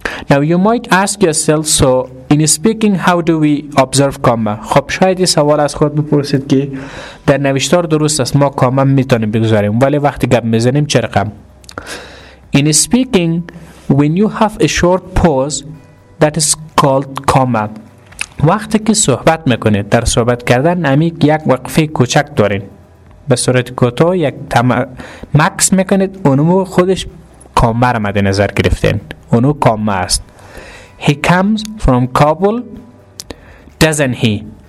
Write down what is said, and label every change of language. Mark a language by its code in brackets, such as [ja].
[en] Now you might ask yourself, so in speaking, how do we observe comma? [fa] خب شاید این سوال از خود بپرسید که در نوشتار درست است ما comma میتونیم بگذاریم ولی وقتی گپ میزنیم چه رقم؟ [en] In speaking, when you have a short pause, that is called comma. [fa] وقتی که صحبت میکنید در صحبت کردن عمیق یک وقفه کوچک دارین. به صورت کوتاه یک مکس میکنید اونو خودش کامه رو مد نظر گرفتین اونو کامه است [en] He comes from Kabul doesn't he